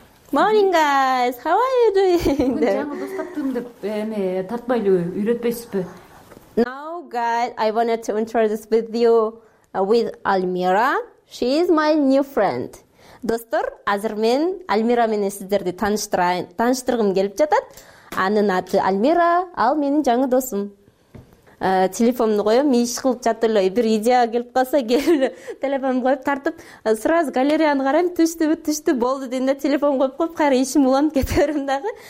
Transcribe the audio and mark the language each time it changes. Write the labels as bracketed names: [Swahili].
[English] Morning guys, how are you doing? [Kyrgyz] Мен жаңы дос таптым деп эме тартпай эле үйрөтпөйсүзбү? [English] Now guys, I wanted to introduce with you with Almira. She is my new friend. [Kyrgyz] Достор, азыр мен Almira менен сиздерди тааныштыргым келип жатат. Анын аты Almira, ал менин жаңы досум. Телефонду коем, иш кылып жатып эле бир идея келип калса, келип эле телефонду коюп тартып сразу галереяны карайм, түштүбү түштү болду дегенде телефон коюп коюп кайра ишим уланып кете берем дагы.